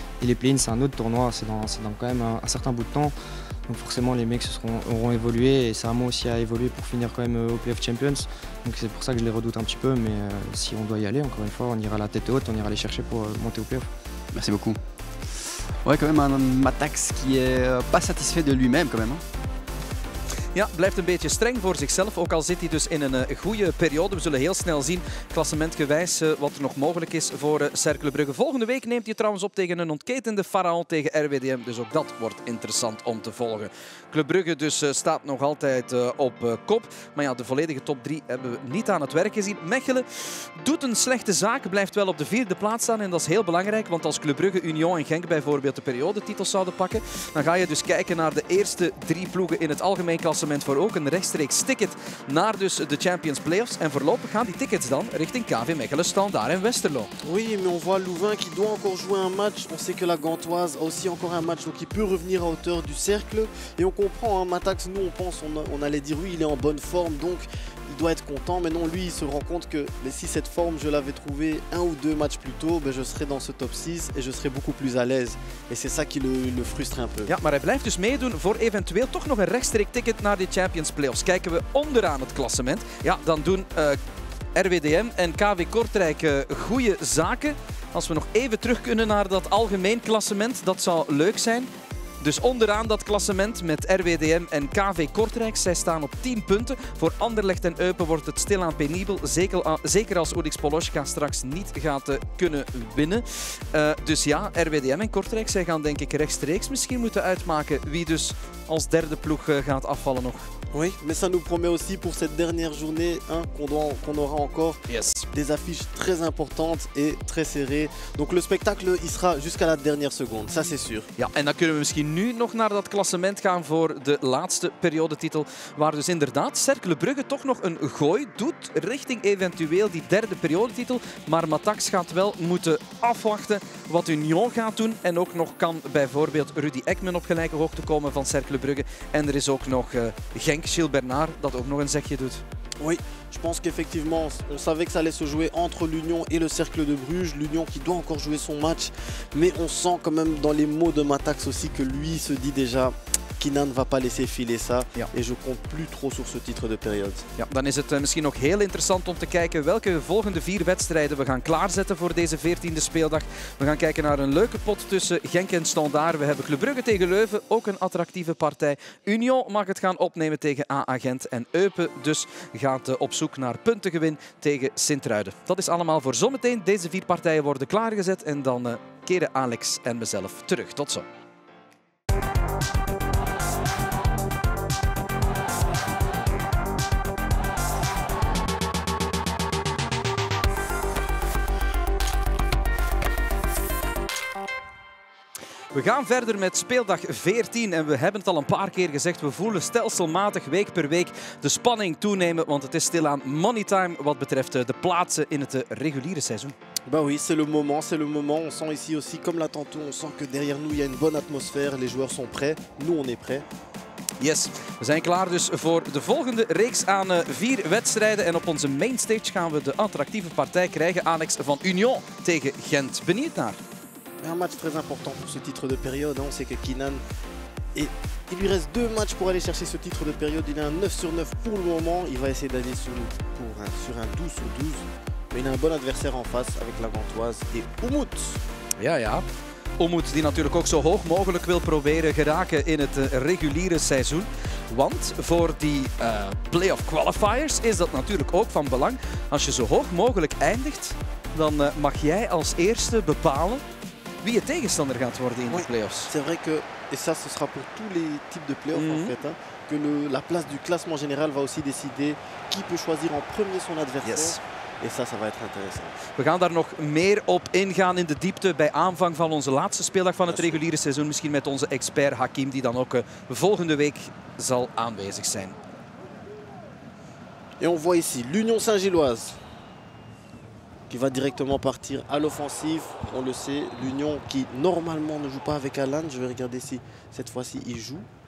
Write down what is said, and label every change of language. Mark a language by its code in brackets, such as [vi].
[fr] Et les play-ins, c'est un autre tournoi, c'est dans quand même un certain bout de temps. Donc forcément les mecs auront évolué et c'est à moi aussi à évoluer pour finir quand même au Playoff Champions. Donc c'est pour ça que je les redoute un petit peu, mais si on doit y aller, encore une fois, on ira la tête haute, on ira les chercher pour monter au Playoff. Merci beaucoup. Ouais, quand même un Matax qui est pas satisfait de lui-même quand même. Hein. [nl] Ja, blijft een beetje streng voor zichzelf, ook al zit hij dus in een goede periode. We zullen heel snel zien, klassementgewijs, wat er nog mogelijk is voor Cercle Brugge. Volgende week neemt hij trouwens op tegen een ontketende Pharaon tegen RWDM. Dus ook dat wordt interessant om te volgen. Club Brugge dus staat nog altijd op kop. Maar ja, de volledige top 3 hebben we niet aan het werk gezien. Mechelen doet een slechte zaak, blijft wel op de vierde plaats staan. En dat is heel belangrijk, want als Club Brugge, Union en Genk bijvoorbeeld de periodetitels zouden pakken, dan ga je dus kijken naar de eerste drie ploegen in het algemeen klassement voor ook een rechtstreeks ticket naar dus de Champions Playoffs. En voorlopig gaan die tickets dan richting KV Mechelen, Standard en Westerlo. [fr] Oui, mais on voit Louvain qui doit encore jouer un match. On sait que la Gantoise a aussi encore un match, donc il peut revenir à hauteur du cercle. Et on comprend, hein, Matax, nous on pense, on allait dire oui, il est en bonne forme, donc il doit être content. Mais non, lui, il se rend compte que mais si cette forme, je l'avais trouvée un ou deux matchs plus tôt, ben, je serais dans ce top 6 et je serais beaucoup plus à l'aise. Et c'est ça qui le frustre un peu. [nl] Ja, maar hij blijft dus meedoen voor eventueel toch nog een rechtstreeks ticket naar de Champions Playoffs. Kijken we onderaan het klassement. Ja, dan doen RWDM en KV Kortrijk goede zaken. Als we nog even terug kunnen naar dat algemeen klassement, dat zou leuk zijn. Dus onderaan dat klassement met RWDM en KV Kortrijk. Zij staan op 10 punten. Voor Anderlecht en Eupen wordt het stilaan penibel. Zeker als Ulix Poloska straks niet gaat kunnen winnen. Dus ja, RWDM en Kortrijk, zij gaan denk ik rechtstreeks misschien moeten uitmaken wie dus als derde ploeg gaat afvallen nog. [fr] Oui, mais ça nous promet aussi pour cette dernière journée hein, qu'on aura encore des affiches très importantes et très serrées. Donc le spectacle, il sera jusqu'à la dernière seconde, ça c'est sûr. [nl] Ja, en dan kunnen we misschien nu nog naar dat klassement gaan voor de laatste periodetitel, waar dus inderdaad Cercle Brugge toch nog een gooi doet richting eventueel die derde periodetitel. Maar Matax gaat wel moeten afwachten wat Union gaat doen. En ook nog kan bijvoorbeeld Rudy Ekman op gelijke hoogte komen van Cercle Brugge. En er is ook nog Genk, Gilles Bernard, dat ook nog een zegje doet. [fr] Oui, je pense qu'effectivement, on savait que ça allait se jouer entre l'Union et le Cercle de Bruges. L'Union qui doit encore jouer son match. Mais on sent quand même dans les mots de Matax aussi que lui se dit déjà... Kina ne va pas laisser filer ça. Ja. Et je compte plus trop sur ce titre de période. [nl] Ja, dan is het misschien nog heel interessant om te kijken welke volgende vier wedstrijden we gaan klaarzetten voor deze 14e speeldag. We gaan kijken naar een leuke pot tussen Genk en Standaard. We hebben Club Brugge tegen Leuven, ook een attractieve partij. Union mag het gaan opnemen tegen AA Gent. En Eupen dus gaat op zoek naar puntengewin tegen Sint-Truiden. Dat is allemaal voor zometeen. Deze vier partijen worden klaargezet. En dan keren Alex en mezelf terug. Tot zo. We gaan verder met speeldag 14 en we hebben het al een paar keer gezegd. We voelen stelselmatig week per week de spanning toenemen, want het is stilaan money time wat betreft de plaatsen in het reguliere seizoen. [fr] Ben oui, c'est le moment, c'est le moment. On sent ici aussi, comme la tantôt, on sent que derrière nous il y a une bonne atmosphère. Les joueurs sont prêts, nous on est prêts. [nl] Yes, we zijn klaar dus voor de volgende reeks aan vier wedstrijden. En op onze mainstage gaan we de attractieve partij krijgen. Alex van Union tegen Gent. Benieuwd naar. [fr] Un match très important pour ce titre de période. On sait que Kinan, est... il lui reste deux matchs pour aller chercher ce titre de période. Il a un 9 sur 9 pour le moment. Il va essayer d'aller sur un 12 sur 12. Mais il a un bon adversaire en face avec la Gantoise et Oumout. [nl] Ja, ja. Oumout die natuurlijk ook zo hoog mogelijk wil proberen geraken in het reguliere seizoen. Want voor die playoff qualifiers is dat natuurlijk ook van belang. Als je zo hoog mogelijk eindigt, dan mag jij als eerste bepalen wie je tegenstander gaat worden in de play-offs. [fr] C'est vrai que, et ça ce sera pour tous les types de play-offs en fait, hein, que le, la place du classement général va aussi décider qui peut choisir en premier son adversaire. Yes. Et ça, ça va être intéressant. [nl] We gaan daar nog meer op ingaan in de diepte bij aanvang van onze laatste speeldag van het reguliere seizoen. Misschien met onze expert Hakim, die dan ook volgende week zal aanwezig zijn. [fr] Et on voit ici l'Union Saint-Gilloise. Qui va directement partir à l'offensive. On le sait, l'Union qui normalement ne joue pas avec Alain. Je vais regarder si cette fois-ci il joue.